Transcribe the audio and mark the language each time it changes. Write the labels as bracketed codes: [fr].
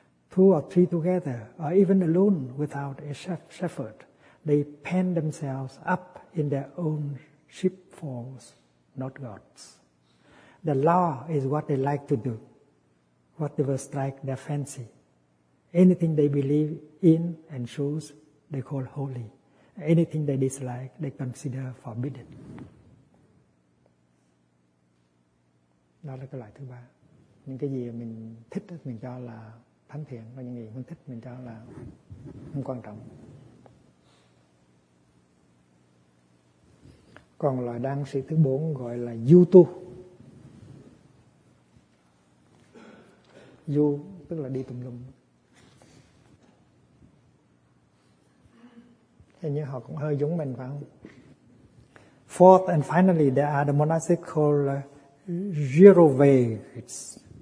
[en] Two or three together, or even alone without a shepherd, they pen themselves up in their own sheepfolds, not God's. The law is what they like to do, whatever strikes their fancy. Anything they believe in and choose, they call holy. Anything they dislike, they consider forbidden. [vi] Đó là cái loại thứ ba. Những cái gì mình thích mình cho là thánh thiện, và những gì mình thích mình cho là không quan trọng. Còn loại đan sĩ thứ bốn gọi là du tu. Du tức là đi tùm lum. Hình như họ cũng hơi giống mình phải không? [en] Fourth and finally, there are the monastic called Girovagues.